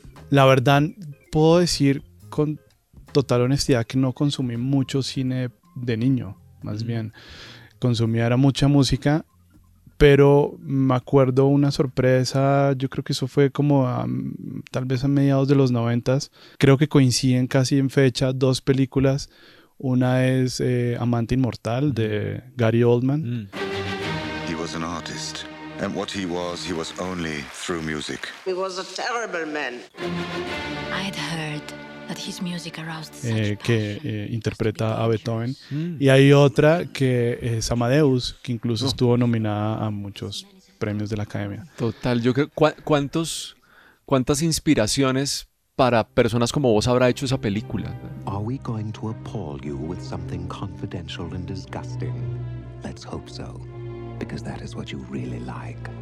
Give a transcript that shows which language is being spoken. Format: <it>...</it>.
<es>la verdad puedo decir con total honestidad que no consumí mucho cine de niño, más bien consumía era mucha música. Pero me acuerdo una sorpresa, yo creo que eso fue como tal vez a mediados de los 90s. Creo que coinciden casi en fecha dos películas. Una es Amante Inmortal, de Gary Oldman.</es> <en>He was an artist, and what he was only through music. He was a terrible man. I'd heard that his music aroused such passion.</en> <es>Que interpreta a Beethoven. Y hay otra que es Amadeus, que incluso estuvo nominada a muchos premios de la Academia. Total, yo creo, ¿cuántas inspiraciones para personas como vos habrá hecho esa película?</es> <en>Are we going to appall you with something confidential and disgusting? Let's hope so, because that is what you really like.</en>